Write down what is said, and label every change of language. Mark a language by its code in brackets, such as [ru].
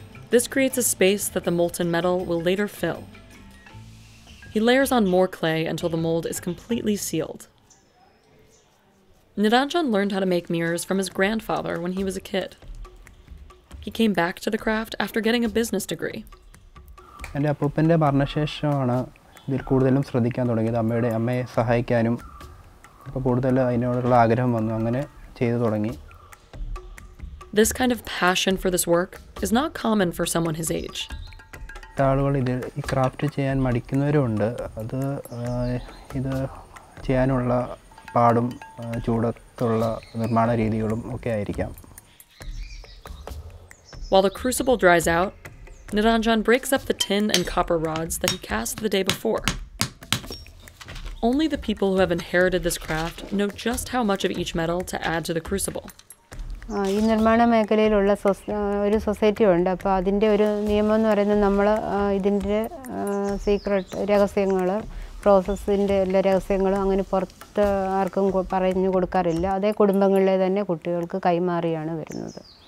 [en] This creates a space that the molten metal will later fill. He layers on more clay until the mold is completely sealed. Niranjan learned how to make mirrors from his grandfather when he was a kid. He came back to the craft after getting a business degree. [ml] എൻ്റെ അപ്പൂപ്പൻ്റെ മരണശേഷമാണ് ഇതിൽ കൂടുതലും ശ്രദ്ധിക്കാൻ തുടങ്ങിയത് അമ്മയുടെ അമ്മയെ സഹായിക്കാനും അപ്പോൾ കൂടുതൽ അതിനോടുള്ള ആഗ്രഹം വന്നു അങ്ങനെ ചെയ്തു തുടങ്ങി [en] This kind of passion for this work is not common for someone his age. While the crucible dries out, Niranjan breaks up the tin and copper rods that he cast the day before. Only the people who have inherited this craft know just how much of each metal to add to the crucible. [ml] ഈ നിർമ്മാണ മേഖലയിലുള്ള ഒരു society ഉണ്ട് അപ്പോൾ അതിൻ്റെ ഒരു നിയമം എന്ന് പറയുന്നത് നമ്മൾ ഇതിൻ്റെ സീക്രട്ട് രഹസ്യങ്ങൾ പ്രോസസ്സിൻ്റെ എല്ലാ രഹസ്യങ്ങളും അങ്ങനെ പുറത്ത് ആർക്കും പറഞ്ഞു കൊടുക്കാറില്ല അതേ കുടുംബങ്ങളിലെ തന്നെ കുട്ടികൾക്ക് കൈമാറിയാണ് വരുന്നത്